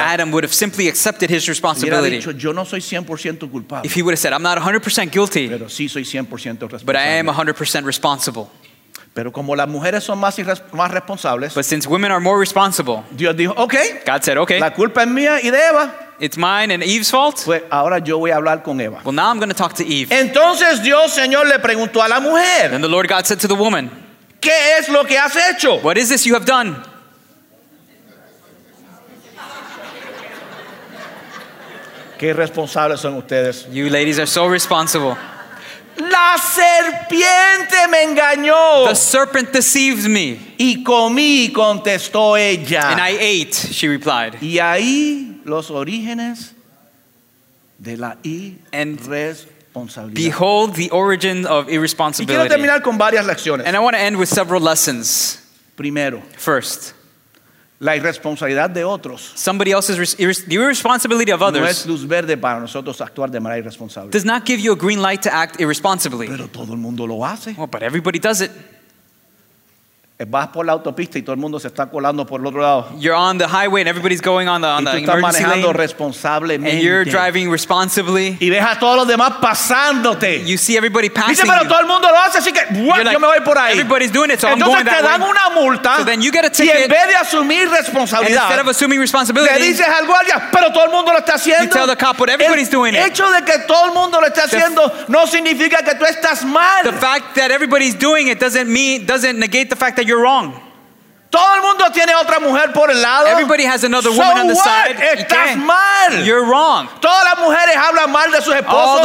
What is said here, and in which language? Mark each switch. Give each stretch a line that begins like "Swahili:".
English: If Adam would have simply accepted his responsibility.
Spanish: Si hubiera dicho, yo no soy 100% culpable.
English: If he would have said, I'm not 100% guilty.
Spanish: Pero sí soy 100% responsable.
English: But I am 100% responsible.
Spanish: Pero como las mujeres son más más responsables,
English: but since women are more responsible,
Spanish: Dios dijo, okay.
English: God said, okay.
Spanish: La culpa es mía y de Eva.
English: It's mine and Eve's fault.
Spanish: Pues ahora yo voy a hablar con Eva.
English: Well, now I'm going to talk to Eve.
Spanish: Entonces Dios, Señor, le preguntó a la mujer.
English: Then the Lord God said to the woman,
Spanish: ¿qué es lo que has hecho?
English: What is this you have done?
Spanish: Qué responsables son ustedes.
English: You ladies are so responsible.
Spanish: La serpiente me engañó.
English: The serpent deceived me.
Spanish: Y comí, contestó ella.
English: And I ate, she replied.
Spanish: Y ahí los orígenes de la irresponsabilidad.
English: Behold the origin of irresponsibility.
Spanish: Y quiero terminar con varias lecciones.
English: And I want to end with several lessons.
Spanish: Primero.
English: First.
Spanish: La irresponsabilidad de otros.
English: Somebody else's the irresponsibility of others.
Spanish: No es luz verde para nosotros actuar de manera irresponsable.
English: Does not give you a green light to act irresponsibly.
Spanish: Pero todo el mundo lo hace.
English: Well, but everybody does it.
Spanish: Vas por la autopista y todo el mundo se está colando por el otro lado.
English: You're on the highway and everybody's going on the emergency lane.
Spanish: Y tú estás manejando responsablemente.
English: And you're driving responsibly.
Spanish: Y ves a todos los demás pasándote.
English: You see everybody passing.
Spanish: Dice, pero todo el mundo lo hace, así que yo me voy por ahí.
English: Everybody's doing it, so
Spanish: entonces
English: I'm going that way.
Spanish: Entonces te dan una multa.
English: So then you get a ticket.
Spanish: Y en vez de asumir responsabilidad,
English: instead of assuming responsibility,
Spanish: le dices al guardia, pero todo el mundo lo está haciendo.
English: You tell the cop what everybody's doing.
Spanish: El hecho de que todo el mundo lo está haciendo no significa que tú estás mal.
English: The fact that everybody's doing it doesn't negate the fact that you're wrong.
Spanish: Todo el mundo tiene otra mujer por el lado.
English: Everybody has another woman so on the what? Side.
Spanish: Estás mal.
English: You're wrong.
Spanish: Todas las mujeres hablan mal de sus esposos.